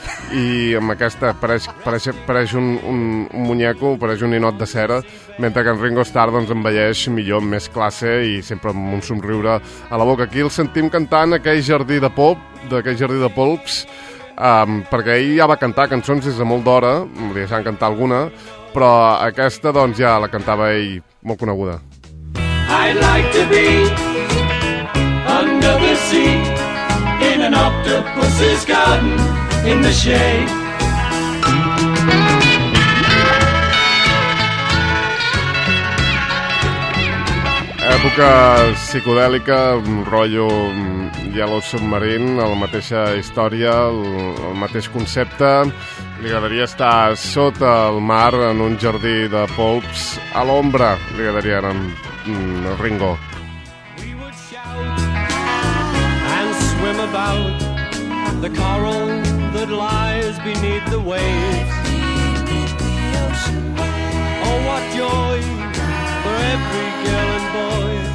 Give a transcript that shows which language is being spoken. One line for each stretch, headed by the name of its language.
Catalan: I amb aquesta pareix un muñeco, pareix un ninot de cera, mentre que en Ringo Starr doncs, envelleix millor, amb més classe i sempre amb un somriure a la boca. Aquí el sentim cantant aquell jardí de pop, d'aquell jardí de polps, perquè ell ja va cantar cançons des de molt d'hora, li deixaven cantar alguna, però aquesta doncs ja la cantava ell, molt coneguda.
English: I'd like to be under the sea in an octopus's garden in the shade.
Catalan: Època psicodèlica, un rotllo Yellow Submarine, la mateixa història, el mateix concepte. Li agradaria estar sota el mar en un jardí de polps a l'ombra. Li agradaria anar amb Ringo.
English: We would shout and swim about the coral that lies beneath the waves. Oh, what joy for every girl and boy.